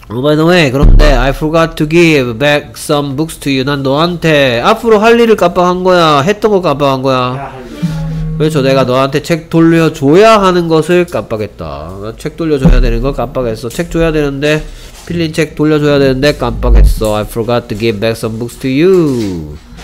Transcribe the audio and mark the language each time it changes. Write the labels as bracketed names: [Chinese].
[English] By the way 그런데 I forgot to give back some books to you. [Korean] 난 너한테 앞으로 할 일을 깜빡한 거야. 했던 거 깜빡한 거야. 그렇죠. 내가 너한테 책 돌려줘야 하는 것을 깜빡했다. 책 돌려줘야 되는 걸 깜빡했어. 책 줘야 되는데 필린 책 돌려줘야 되는데 깜빡했어. [English] I forgot to give back some books to you.